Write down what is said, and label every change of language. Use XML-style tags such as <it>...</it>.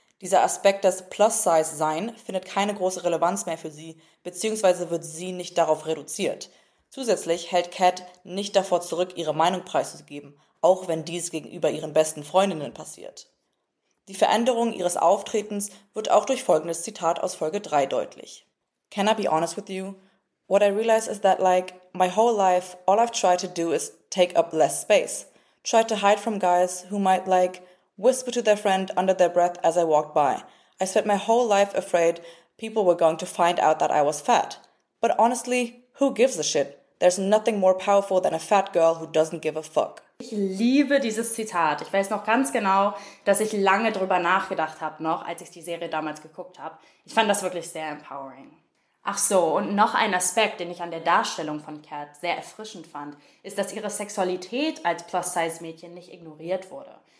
<de>Dieser Aspekt des Plus-Size-Sein findet keine große Relevanz mehr für sie, beziehungsweise wird sie nicht darauf reduziert. Zusätzlich hält Cat nicht davor zurück, ihre Meinung preiszugeben, auch wenn dies gegenüber ihren besten Freundinnen passiert. Die Veränderung ihres Auftretens wird auch durch folgendes Zitat aus Folge 3 deutlich.</de> <en>Can I be honest with you? What I realize is that, like, my whole life, all I've tried to do is take up less space. Tried to hide from guys who might, like, whisper to their friend under their breath as I walked by. I spent my whole life afraid people were going to find out that I was fat. But honestly, who gives a shit? There's nothing more powerful than a fat girl who doesn't give a fuck.</en> <de>Ich liebe dieses Zitat. Ich weiß noch ganz genau, dass ich lange drüber nachgedacht habe noch, als ich die Serie damals geguckt habe. Ich fand das wirklich sehr empowering. Ach so, und noch ein Aspekt, den ich an der Darstellung von Cat sehr erfrischend fand, ist, dass ihre Sexualität als Plus-Size-Mädchen nicht ignoriert wurde.</de>